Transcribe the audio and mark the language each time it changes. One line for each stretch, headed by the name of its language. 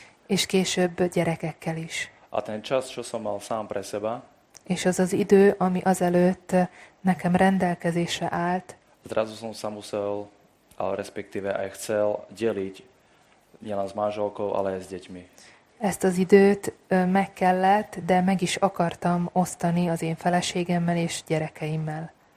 Hungarian: És később gyerekekkel is.
Slovak: A ten čas, čo som mal sám pre seba.
Hungarian: És az az idő, ami azelőtt nekem rendelkezésre állt.
Slovak: Zrazu som sa musel, ale respektíve aj chcel, deliť nielen s manželkou, ale aj s deťmi.
Hungarian: Ezt az időt meg kellett, de meg is akartam osztani az én feleségemmel és gyerekeimmel.